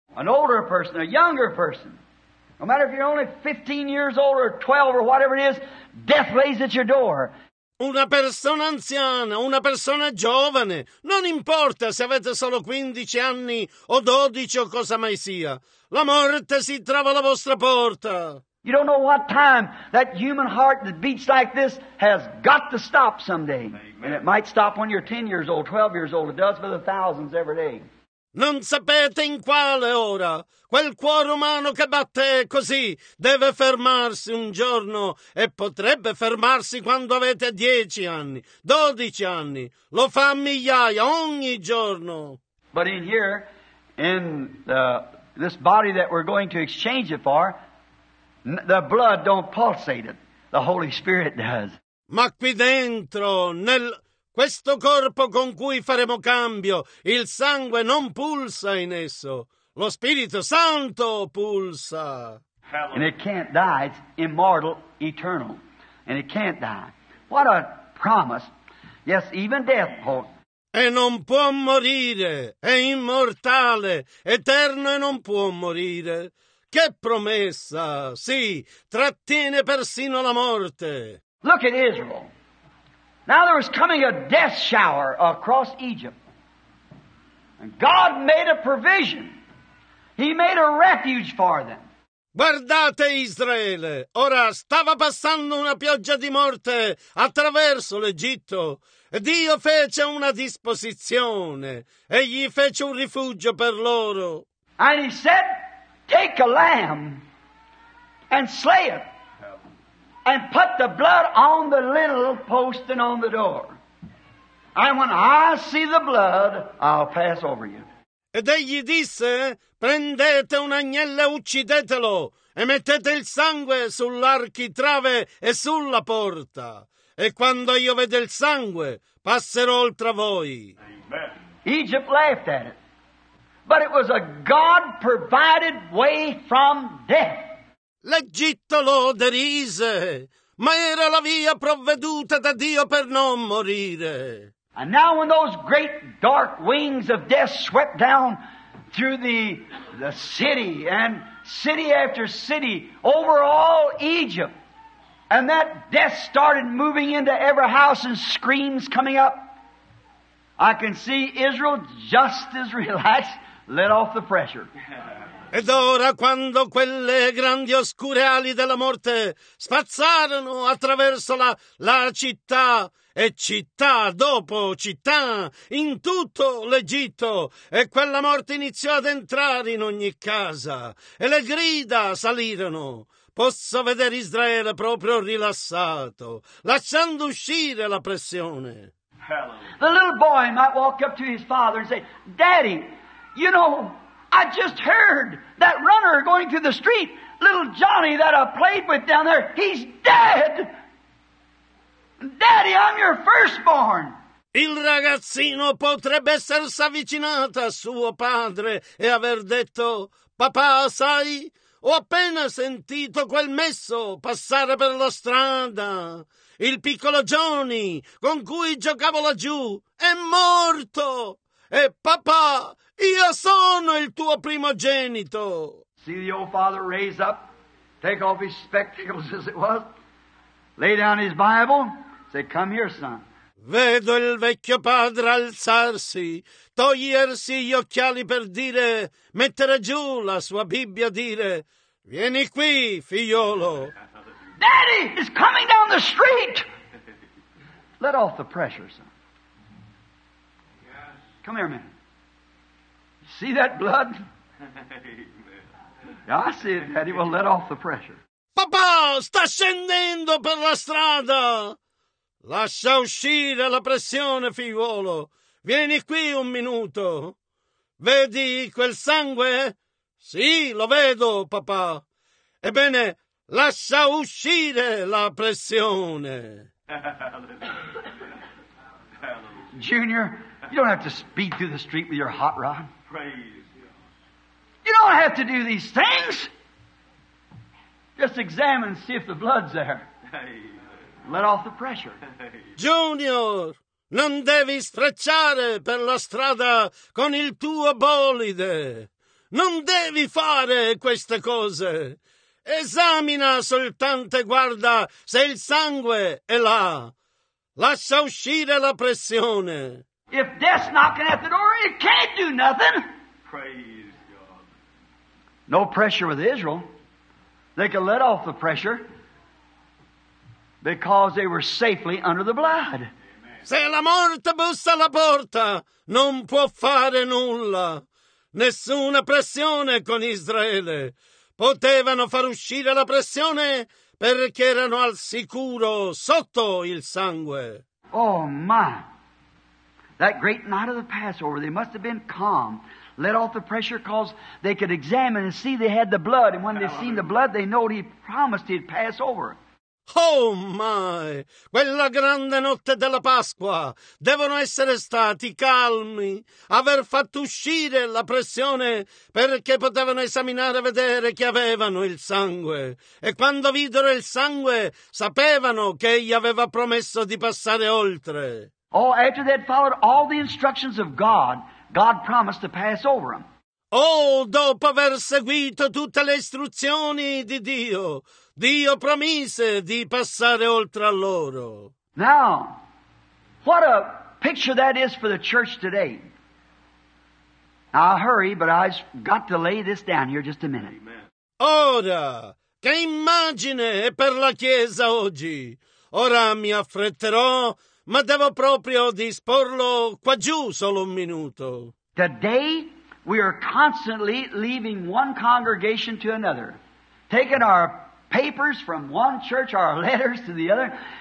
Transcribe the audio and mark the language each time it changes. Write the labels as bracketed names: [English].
[English] An older person, a younger person. No matter if you're only 15 years old or 12 or whatever it is, death lays at your door. [Italian] Una persona anziana, una persona giovane, non importa se avete solo 15 anni o 12 o cosa mai sia, la morte si trova alla vostra porta. [English] You don't know what time that human heart that beats like this has got to stop someday. Amen. And it might stop when you're 10 years old, 12 years old. It does for the thousands every day. [Italian] Non sapete in quale ora quel cuore umano che batte così deve fermarsi un giorno e potrebbe fermarsi quando avete 10 anni, 12 anni. Lo fa migliaia ogni giorno. [English] But in here, in this body that we're going to exchange it for, the blood don't pulsate it. The Holy Spirit does. [Italian] Ma qui dentro, nel questo corpo con cui faremo cambio, il sangue non pulsa in esso. Lo Spirito Santo pulsa. [English] And it can't die. It's immortal, eternal. And it can't die. What a promise. Yes, even death holds. [Italian] E non può morire. È immortale, eterno e non può morire. Che promessa! Sì, trattiene persino la morte. [English] Look at Israel. Now there was coming a death shower across Egypt. And God made a provision. He made a refuge for them. [Italian] Guardate Israele. Ora stava passando una pioggia di morte attraverso l'Egitto. E Dio fece una disposizione. Egli fece un rifugio per loro. [English] And He said, take a lamb and slay it and put the blood on the little post and on the door. And when I see the blood, I'll pass over you. [Italian] Ed egli disse, prendete un agnello e uccidetelo e mettete il sangue sull'architrave e sulla porta. E quando io vedo il sangue, passerò oltre voi. [English] Amen. Egypt laughed at it. But it was a God-provided way from death. [Italian] L'Egitto lo derise, ma era la via provveduta da Dio per non morire. [English] And now when those great dark wings of death swept down through the city and city after city over all Egypt, and that death started moving into every house and screams coming up, I can see Israel just as relaxed, let off the pressure. [Italian] Ed ora, quando quelle grandi oscure ali della morte spazzarono attraverso la città, e città dopo città, in tutto l'Egitto, e quella morte iniziò ad entrare in ogni casa, e le grida salirono, posso vedere Israele proprio rilassato, lasciando uscire la pressione. [English] The little boy might walk up to his father and say, Daddy, you know, I just heard that runner going through the street, little Johnny that I played with down there, he's dead! Daddy, I'm your firstborn! [Italian] Il ragazzino potrebbe essersi avvicinato a suo padre e aver detto, Papà, sai, ho appena sentito quel messo passare per la strada. Il piccolo Johnny, con cui giocavo laggiù, è morto! E papà, io sono il tuo primogenito! [English] See the old father raise up, take off his spectacles as it was, lay down his Bible, say, come here, son. [Italian] Vedo il vecchio padre alzarsi, togliersi gli occhiali per dire, mettere giù la sua Bibbia, dire, vieni qui, figliolo! [English] Daddy is coming down the street! Let off the pressure, son. Yes. Come here, man. See that blood? Amen. Yeah, I see it, Daddy. Well, let off the pressure. [Italian] Papà, sta scendendo per la strada! Lascia uscire la pressione, figliuolo. Vieni qui un minuto. Vedi quel sangue? Sì, lo vedo, papà. Ebbene, lascia uscire la pressione. [English] Junior, you don't have to speed through the street with your hot rod. Praise. You don't have to do these things. Just examine and see if the blood's there. Let off the pressure. [Italian] Junior, non devi sfrecciare per la strada con il tuo bolide. Non devi fare queste cose. Esamina soltanto e guarda se il sangue è là. Lascia uscire la pressione. [English] If death's knocking at the door, it can't do nothing. Praise God. No pressure with Israel. They can let off the pressure because they were safely under the blood. [Italian] Se la morte bussa alla porta, non può fare nulla. Nessuna pressione con Israele. Potevano far uscire la pressione perché erano al sicuro sotto il sangue. [English] Oh, my. That great night of the Passover, they must have been calm. Let off the pressure because they could examine and see they had the blood. And when they seen the blood, they knowed he promised he'd pass over. Oh, my. [Italian] Quella grande notte della Pasqua. Devono essere stati calmi. Aver fatto uscire la pressione perché potevano esaminare e vedere che avevano il sangue. E quando videro il sangue, sapevano che egli aveva promesso di passare oltre. [English] Oh, after they had followed all the instructions of God, God promised to pass over them. [Italian] Oh, dopo aver seguito tutte le istruzioni di Dio, Dio promise di passare oltre a loro. [English] Now, what a picture that is for the church today. Now, I'll hurry, but I've got to lay this down here just a minute. Amen. [Italian] Ora, che immagine è per la Chiesa oggi? Ora mi affretterò, ma devo proprio disporlo qua giù solo un minuto. [English] Today, we are constantly leaving one congregation to another, taking our papers from one church, our letters to the other.